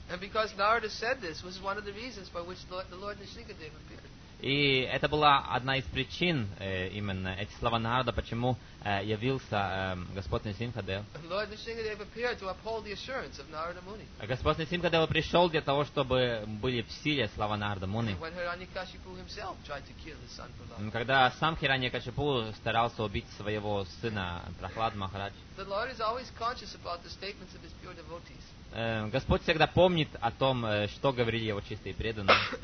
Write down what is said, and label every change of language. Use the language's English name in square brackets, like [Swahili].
[English] And because Narada said this was one of the reasons by which the Lord Nrisingadev appeared. [Russian] И это была одна из причин, именно эти слова Нарада, почему явился Господь Нисимхадев. [English] Lord Nrisingadev appeared to uphold the assurance of Narada Muni. [Russian] Господь Нисимхадев пришел для того, чтобы были в силе слова Нарада Муни. [English] When Hiranyakashipu himself tried to kill his son Prahlad. [Russian] Когда сам Хираньякашипу старался убить своего сына Прахлад Махарадж. [English] The Lord is always conscious about the statements of his pure devotees. [Russian] Господь всегда помнит о том, что говорили его чистые преданные.